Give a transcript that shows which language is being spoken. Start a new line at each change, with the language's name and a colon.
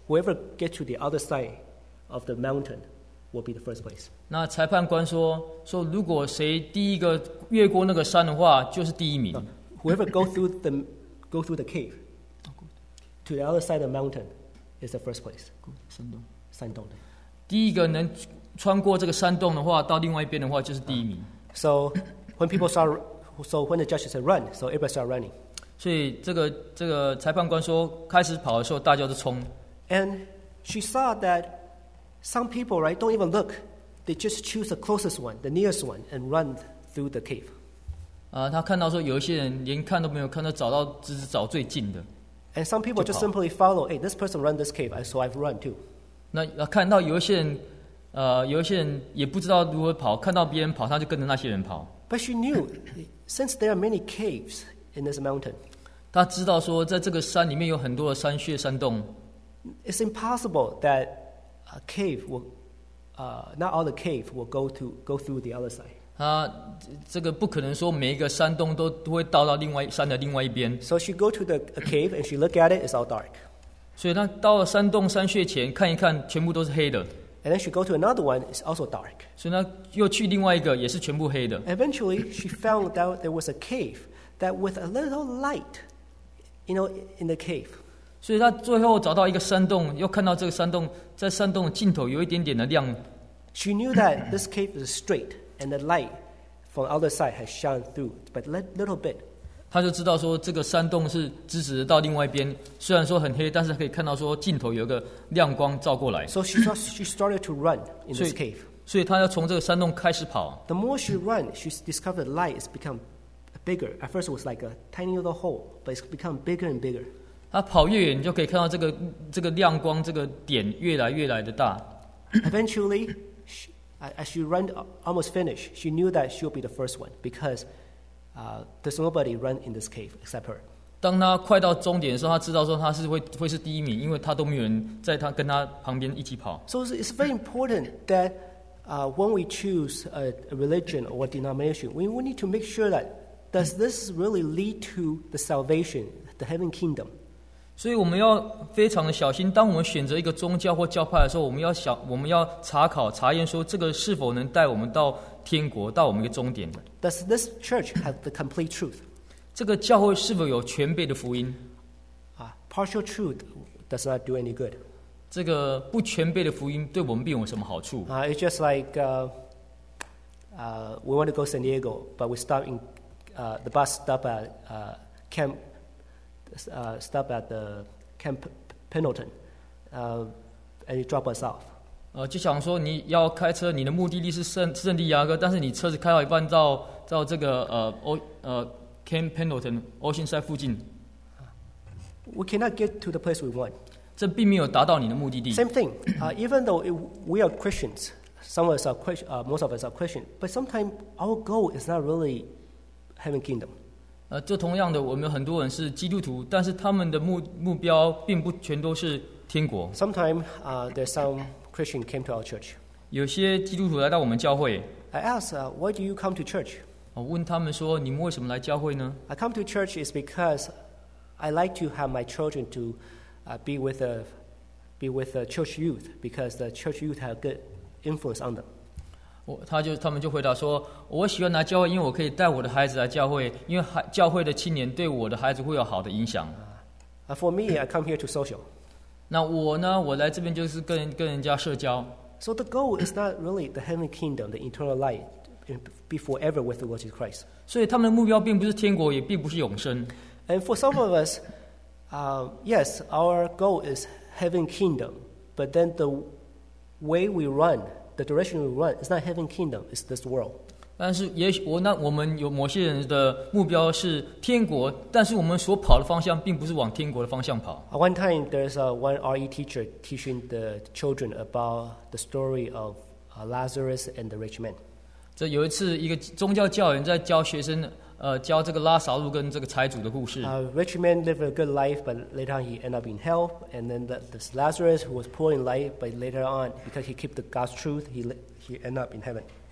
English: Whoever get to the other side of the mountain will be the first place.
Chinese: 那裁判官说如果谁第一个越过那个山的话，就是第一名。
English: Whoever go through the cave to the other side of the mountain is the first place.
Chinese: 山洞的。第一个能穿过这个山洞的话，到另外一边的话，就是第一名。
English: So when the judge said run, so everybody started running.
Chinese: 所以这个裁判官说，开始跑的时候，大家都冲。
English: And she saw that some people, right, don't even look; they just choose the closest one, the nearest one, and run through the cave.
Chinese: 他看到说有一些人连看都没有看，都找到只是找最近的。
English: And some people just simply follow. Hey, this person run this cave, so I've run too.
Chinese: 那看到有一些人也不知道如何跑，看到别人跑，他就跟着那些人跑。
English: But she knew, since there are many caves in this mountain.
Chinese: 他知道说，在这个山里面有很多的山穴、山洞。
English: It's impossible that a cave will, not all the cave will go through the other side.
Chinese: 他这个不可能说每一个山洞都会到另外山的另外一边。
English: So she go to the cave and she look at it. It's all dark.
Chinese: 所以他到了山洞、山穴前看一看，全部都是黑的。
English: And then she go to another one, it's also dark.
Chinese: 所以呢，又去另外一个，也是全部黑的。
English: Eventually, she found out there was a cave that with a little light, you know, in the cave.
Chinese: 所以她最后找到一个山洞，又看到这个山洞，在山洞的尽头有一点点的亮。
English: She knew that this cave is straight, and the light from the other side has shone through, but a little bit.
Chinese: 她就知道说这个山洞是直直到另外一边，虽然说很黑，但是可以看到说尽头有一个亮光照过来。
English: So she started to run in this cave.
Chinese: 所以她要从这个山洞开始跑。
English: The more she run, she discovered the light has become bigger. At first it was like a tiny little hole, but it's become bigger and bigger.
Chinese: 她跑越远，你就可以看到这个亮光这个点越来的大。
English: Eventually, as she ran almost finished, she knew that she'll be the first one because there's nobody run in this cave except her.
Chinese: 当他快到终点的时候，他知道说他是会是第一名，因为他都没有人在他跟他旁边一起跑。
English: So it's very important that when we choose a religion or a denomination, we need to make sure that does this really lead to the salvation, the heaven kingdom.
Chinese: 所以我们要非常的小心，当我们选择一个宗教或教派的时候，我们要查考查验说这个是否能带我们到天国，到我们的终点。
English: Does this church have the complete truth?
Chinese: 这个教会是否有全备的福音？
English: Partial truth does not do any good.
Chinese: 这个不全备的福音对我们并没有什么好处。
English: It's just like we want to go San Diego, but we stop in the bus stop at Camp stop at the Camp Pendleton, and you drop us off.
Chinese: 就想说你要开车，你的目的地是圣地亚哥，但是你车子开到一半到这个Camp Pendleton Oceanside 附近。
English: We cannot get to the place we want.
Chinese: 这并没有达到你的目的地。
English: Same thing. Even though we are Christians, some of us are Christian, most of us are Christian, but sometimes our goal is not really heaven kingdom.
Chinese: 就同样的，我们很多人是基督徒，但是他们的目标并不全都是天国。
English: Sometimes there's some Christian came to our church.
Chinese: 有些基督徒来到我们教会。
English: I asked, why do you come to church?
Chinese: 我问他们说，你们为什么来教会呢？
English: I come to church is because I like to have my children to be with the church youth because the church youth have good influence on them.
Chinese: 他们就回答说，我喜欢来教会，因为我可以带我的孩子来教会，因为教会的青年对我的孩子会有好的影响。
English: For me, I come here to social.
Chinese: 那我呢？我来这边就是跟人家社交。
English: So the goal is not really the heaven kingdom, the eternal life, be forever with the Lord Jesus Christ.
Chinese: 所以他们的目标并不是天国，也并不是永生。
English: And for some of us, yes, our goal is heaven kingdom, but then the way we run, the direction we run, is not heaven kingdom, it's this world.
Chinese: 但是我们有某些人的目标是天国，但是我们所跑的方向并不是往天国的方向跑。
English: One time, there's one RE teacher teaching the children about the story of Lazarus and the rich man.
Chinese: 这有一次，一个宗教教员在教学生。教这个拉撒路跟这个财主的故事。
English: Rich man lived a good life, but later on he ended up in hell. And then this Lazarus, who was poor in life, but later on, because he kept the God's truth, he ended up in heaven.